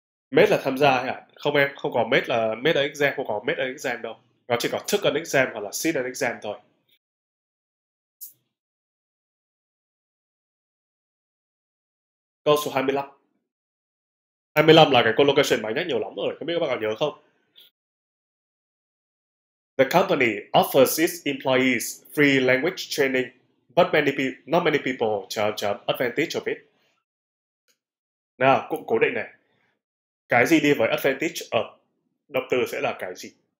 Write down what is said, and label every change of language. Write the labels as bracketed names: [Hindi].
[Vietnamese] Made là tham gia hay ạ? Không em, không có made là [English] made an exam, [Vietnamese] không có made an exam đâu. Nó chỉ có [English] took an exam [Vietnamese] hoặc là [English] sit an exam [Vietnamese] thôi. Câu số 25. 25 là cái collocation mà nhắc nhiều lắm rồi, không biết các bạn có nhớ không? [English] The company offers its employees free language training, but not many people [Vietnamese] chấm chấm [English] advantage of it. [Vietnamese] Nào, cụm cố định này. Cái gì đi với advantage of? Động từ sẽ là cái gì?